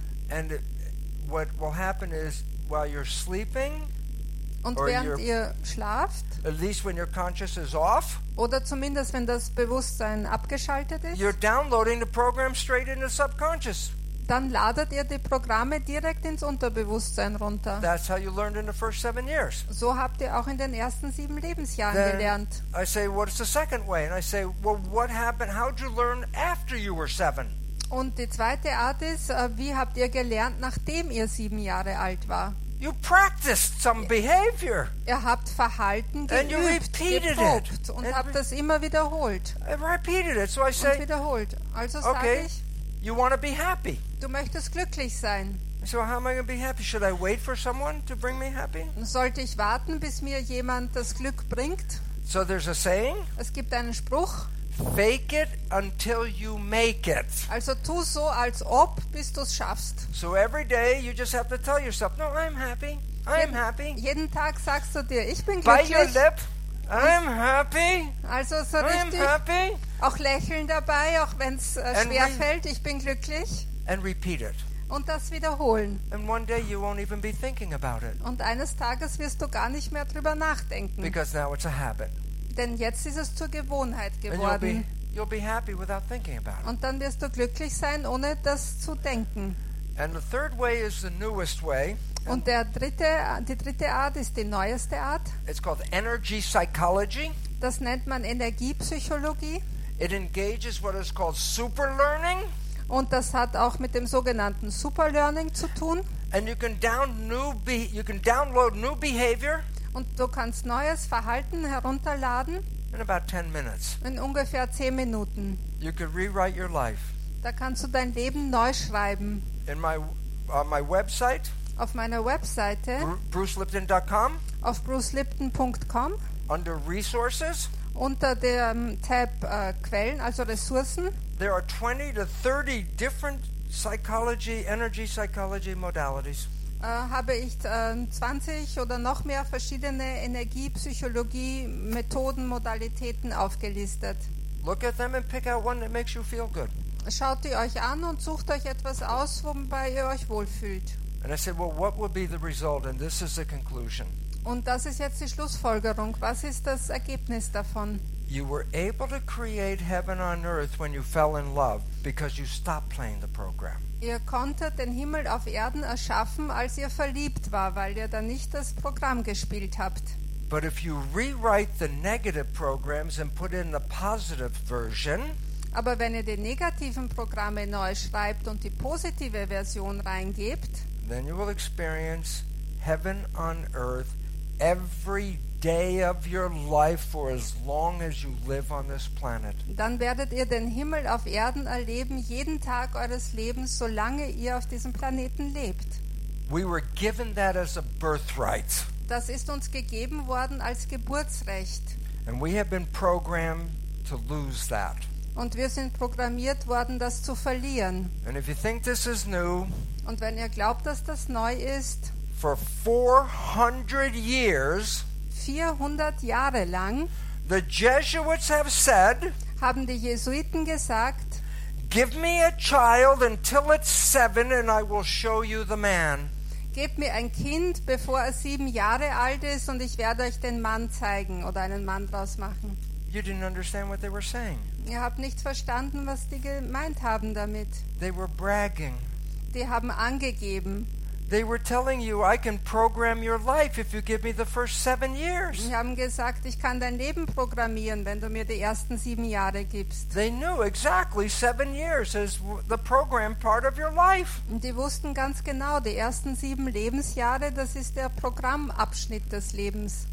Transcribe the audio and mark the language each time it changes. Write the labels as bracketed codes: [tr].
[en] And what will happen is, while you're sleeping, [de] und or während ihr schlaft, [en] at least when your conscious is off, [de] oder zumindest wenn das Bewusstsein abgeschaltet ist, [en] you're downloading the program straight into subconscious. [de] Dann ladet ihr die Programme direkt ins Unterbewusstsein runter. [en] That's how you learned in the first 7 years. [de] So habt ihr auch in den ersten 7 Lebensjahren gelernt. [en] I say, what's the second way? And I say, well, what happened? How did you learn after you were 7? [de] Und die zweite Art ist, wie habt ihr gelernt, nachdem ihr 7 Jahre alt war? [en] You practiced some behavior. [de] Ihr habt Verhalten geübt, geprobt und habt das immer wiederholt. Also sage ich, [en] you want to be happy. [de] Du möchtest glücklich sein. [en] So how am I going to be happy? Should I wait for someone to bring me happy? [de] Sollte ich warten, bis mir jemand das Glück bringt? [en] So there's a saying. [de] Es gibt einen Spruch. [en] Fake it until you make it. [de] Also tu so, als ob, bis du es schaffst. [en] So every day you just have to tell yourself, no, I'm happy. I'm happy. [de] Jeden Tag sagst du dir, ich bin glücklich. [en] By your lip. I'm happy. [de] Also so richtig. [en] I'm happy. [de] Auch lächeln dabei, auch wenn es schwer fällt. Ich bin glücklich. [en] And repeat it. [de] Und das wiederholen. [en] And one day you won't even be thinking about it. [de] Und eines Tages wirst du gar nicht mehr drüber nachdenken. [en] Because now it's a habit. [de] Denn jetzt ist es zur Gewohnheit geworden. [en] And you'll be happy without thinking about it. [de] Und dann wirst du glücklich sein, ohne das zu denken. [en] And the third way is the newest way. [de] Und die dritte Art ist die neueste Art. [en] It's called energy psychology. [de] Das nennt man Energiepsychologie. [en] It engages what is called super learning. [de] Und das hat auch mit dem sogenannten Super Learning zu tun. [en] And you can download new behavior. [de] Und du kannst neues Verhalten herunterladen. [en] In about 10 minutes. [de] In ungefähr 10 Minuten. [en] You can rewrite your life. [de] Da kannst du dein Leben neu schreiben. [en] In my on my website. [de] Auf meiner Webseite. [en] BruceLipton.com. [de] Auf BruceLipton.com. [en] Under Resources. [de] Unter dem Tab Quellen, also Ressourcen. [en] There are 20 to 30 different psychology, energy psychology modalities. [de] Habe ich 20 oder noch mehr verschiedene Energiepsychologie-Methoden, Modalitäten aufgelistet. [en] Look at them and pick out one that makes you feel good. [de] Schaut ihr euch an und sucht euch etwas aus, wobei ihr euch wohlfühlt. [en] And I said, well, what would be the result? And this is the conclusion. [de] Und das ist jetzt die Schlussfolgerung. Was ist das Ergebnis davon? [en] You were able to create heaven on earth when you fell in love because you stopped playing the program. [de] Ihr konntet den Himmel auf Erden erschaffen, als ihr verliebt war, weil ihr dann nicht das Programm gespielt habt. [en] But if you rewrite the negative programs and put in the positive version, [de] aber wenn ihr die negativen Programme neu schreibt und die positive Version reingebt, [en] then you will experience heaven on earth every day of your life for as long as you live on this planet. [de] Dann werdet ihr den Himmel auf Erden erleben jeden Tag eures Lebens, solange ihr auf diesem Planeten lebt. [en] We were given that as a birthright. [de] Das ist uns gegeben worden als Geburtsrecht. [en] And we have been programmed to lose that. [de] Und wir sind programmiert worden, das zu verlieren. [en] And if you think this is new, [de] und wenn ihr glaubt, dass das neu ist, [en] for 400 years, [de] 400 Jahre lang, [en] the Jesuits have said, [de] haben die Jesuiten gesagt, [en] give me a child until it's 7 and I will show you the man. [de] Gebt mir ein Kind, bevor er 7 Jahre alt ist, und ich werde euch den Mann zeigen oder einen Mann draus machen. [en] You didn't understand what they were saying. [de] Ihr habt nicht verstanden, was die gemeint haben damit. [en] They were bragging. [de] Die haben angegeben. [en] They were telling you, I can program your life if you give me the first 7 years. [de] Sie haben gesagt, ich kann dein Leben programmieren, wenn du mir die ersten 7 Jahre gibst. [en] They knew exactly 7 years is the program part of your life. [de] Die wussten ganz genau, die ersten 7 Lebensjahre, das ist der Programmabschnitt des Lebens.